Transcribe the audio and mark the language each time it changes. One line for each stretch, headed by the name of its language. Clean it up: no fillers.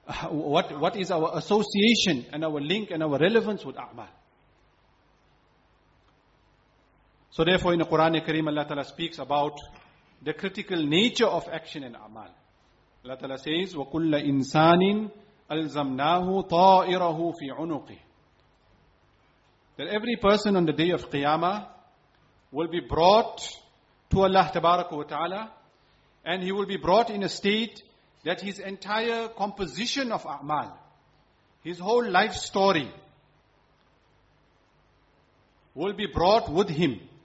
English: What is our association and our link and our relevance with amal? So therefore in the Quran Kareem, Allah ta'ala speaks about the critical nature of action and amal. Allah ta'ala says,
Arabic: وَكُلَّ إِنسَانٍ أَلْزَمْنَاهُ طَائِرَهُ فِي عُنُقِهِ.
English: That every person on the day of Qiyamah will be brought to Allah tabaraka wa ta'ala, and he will be brought in a state that his entire composition of a'mal, his whole life story, will be brought with him.